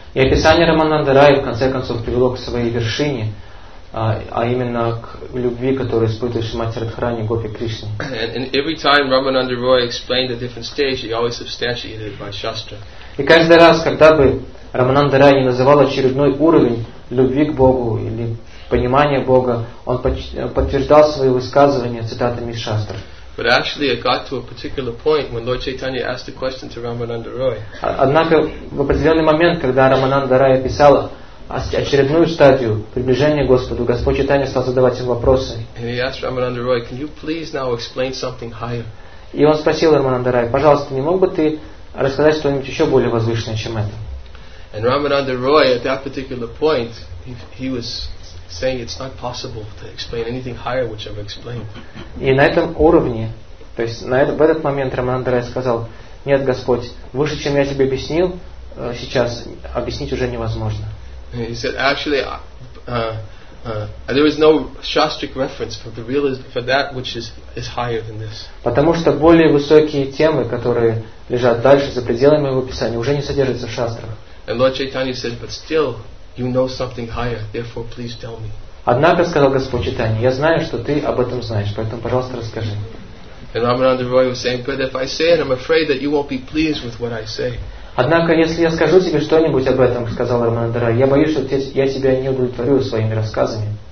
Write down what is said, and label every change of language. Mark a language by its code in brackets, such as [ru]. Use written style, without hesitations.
[ru] И описание Рамананда Рая в конце концов привело к своей вершине, а именно к любви, которую испытывает Шримати Радхарани Гопи Кришне. [en] And every time Рамананда Рой explained a different stage, he always substantiated it by Shastra. [ru] И каждый раз, когда бы Рамананда Рай не называл очередной уровень любви к Богу или понимания Бога, он подтверждал свои высказывания цитатами из Шастры. [en] But actually it got to a particular point when Lord Chaitanya asked a question to Рамананда Рой. [ru] Однако в определенный момент, когда Рамананда Рай описал очередную стадию приближения к Господу, Господь Чайтанья стал задавать им вопросы. [en] And he asked Рамананда Рой, can you please now explain something higher? [ru] И он спросил Рамананда Рая, пожалуйста, не мог бы ты рассказать что-нибудь еще более возвышенное, чем это? [en] And Рамананда Рой at that particular point, he was saying it's not possible to explain anything higher which I've explained. [ru] И на этом уровне, то есть в этот момент Рамананда Рай сказал, нет, Господь, выше, чем я тебе объяснил, сейчас объяснить уже невозможно. [en] He said, actually, there is no shastric reference for the realism for that which is higher than this. [ru] Потому что более высокие темы, которые лежат дальше за пределами моего писания, уже не содержатся в шастрах. [en] And Lord Chaitanya said, but still, you know something higher, therefore, please tell me. [ru] Однако сказал Господь Чайтанья, я знаю, что ты об этом знаешь, поэтому, пожалуйста, расскажи. [en] And Ramananda Roy was saying, but if I say it, I'm afraid that you won't be pleased with what I say. [ru] Однако, если я скажу тебе что-нибудь об этом, сказал Рамананда Рай, я боюсь, что я тебя не удовлетворю своими рассказами.